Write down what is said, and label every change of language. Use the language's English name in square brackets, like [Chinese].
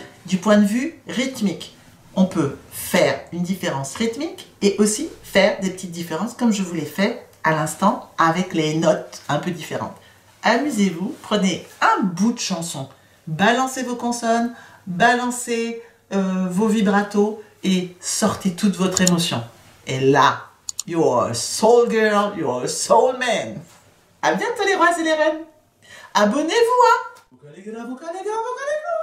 [French] Du point de vue rythmique, on peut faire une différence rythmique et aussi faire des petites différences comme je vous l'ai fait à l'instant avec les notes un peu différentes. Amusez-vous, prenez un bout de chanson, balancez vos consonnes, balancez vos vibratos et sortez toute votre émotion. Et là, [English] you're a soul girl, you're a soul man. [French] À bientôt les rois et les reines. Abonnez-vous, hein. Vocale grave, vocale grave, vocale grave.